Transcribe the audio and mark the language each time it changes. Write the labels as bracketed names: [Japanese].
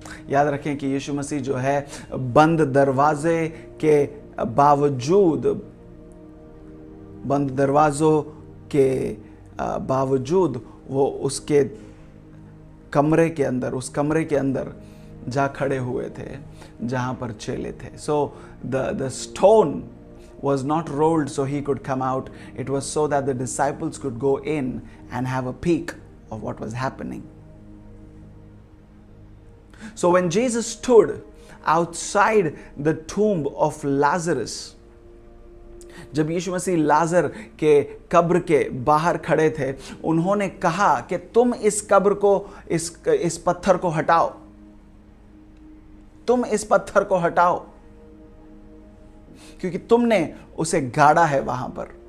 [Hindi] याद रखें कि यीशु मसीह जो है बंद दरवाजे के बावजूद, बंद दरवाजों के बावजूद वो उसके कमरे के अंदर, उस कमरे के अंदर जा खड़े हुए थे जहां पर चेले थे. [English] So the stone was not rolled so he could come out. It was so that the disciples could go in and have a peek of what was happening. So when Jesus stood outside the tomb of Lazarus, [Hindi] जब यीशु मसीह लाजर के कब्र के बाहर खड़े थे, उन्होंने कहा कि तुम इस कब्र को, इस पत्थर को हटाओ, तुम इस पत्थर को हटाओ, क्योंकि तुमने उसे गाड़ा है वहां पर.